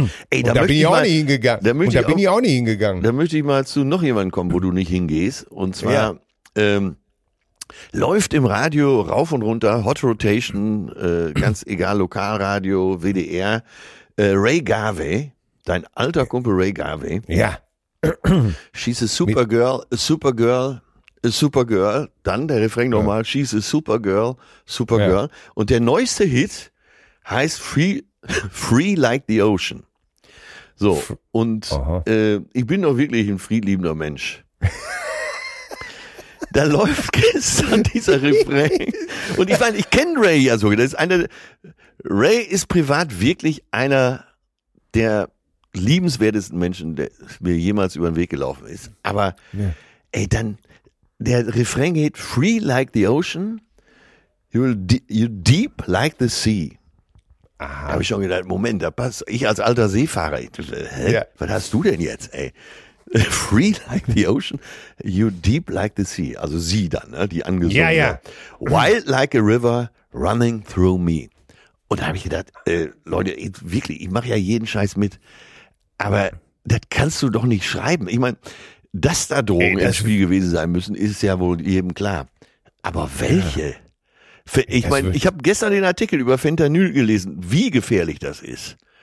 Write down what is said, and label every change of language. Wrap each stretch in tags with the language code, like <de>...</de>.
<de>Ey, da bin ich auch nicht hingegangen. Da möchte ich mal zu noch jemandem kommen, wo du nicht hingehst. Und zwar läuft im Radio rauf und runter, Hot Rotation, ganz egal, Lokalradio, WDR, Ray Garvey, dein alter Kumpel Ray Garvey. Ja.</de> <en>She's a Supergirl, a Supergirl, a Supergirl.</en> <de>Dann der Refrain nochmal,</de> <en>she's a Supergirl, Supergirl.</en> <de>Ja. Und der neueste Hit heißt Free Like the Ocean. So, und ich bin doch wirklich ein friedliebender Mensch. Da läuft gestern dieser Refrain. Und ich meine, ich kenne Ray ja so. Ray ist privat wirklich einer der liebenswertesten Menschen, der mir jemals über den Weg gelaufen ist. Aber ey, dann, der Refrain geht,</de> <en>free like the ocean, you're deep like the sea.</en> <de>Da habe ich schon gedacht, Moment, da passt, ich als alter Seefahrer, was hast du denn jetzt, ey?</de> <en>Free like the ocean, you deep like the sea.</en> <de>Also sie dann, ne? Die angesungen. Ja, ja.</de> <en>Wild like a river running through me.</en> <de>Und da habe ich gedacht, Leute, wirklich, ich mache ja jeden Scheiß mit. Aber das kannst du doch nicht schreiben. Ich meine, dass da Drogen im Spiel gewesen sein müssen, ist ja wohl jedem klar. Aber welche? Ja. Ich meine, ich habe gestern den Artikel über Fentanyl gelesen, wie gefährlich das ist.</de>